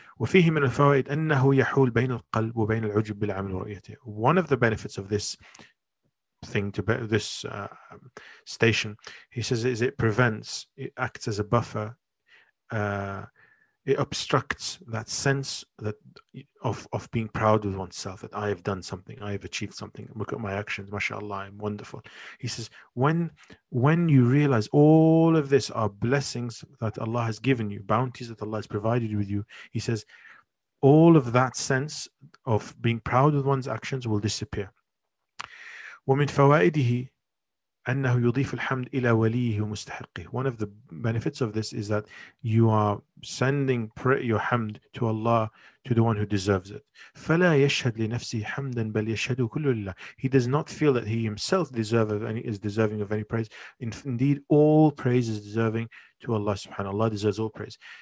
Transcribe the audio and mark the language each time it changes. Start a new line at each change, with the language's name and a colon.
Arabic: وفيه من الفوائد أنه يحول بين القلب وبين العجب بالعمل ورؤيته.
English: One of the benefits of this thing, to this station, he says, is it prevents, it acts as a buffer, it obstructs that sense that of being proud with oneself, that I have done something, I have achieved something, look at my actions, mashallah, I'm wonderful. He says, when you realize all of this are blessings that Allah has given you, bounties that Allah has provided with you, he says, all of that sense of being proud with one's actions will disappear.
Arabic: ومن فوائده أنه يضيف الحمد إلى وليه ومستحقه.
English: One of the benefits of this is that you are sending your hamd to Allah, to the one who deserves it.
Arabic: فلا يشهد لنفسه حمدا بل يشهده كل لله.
English: He does not feel that he himself is deserving of any praise. Indeed, all praise is deserving to Allah subhanahu wa ta'ala. Allah deserves all praise.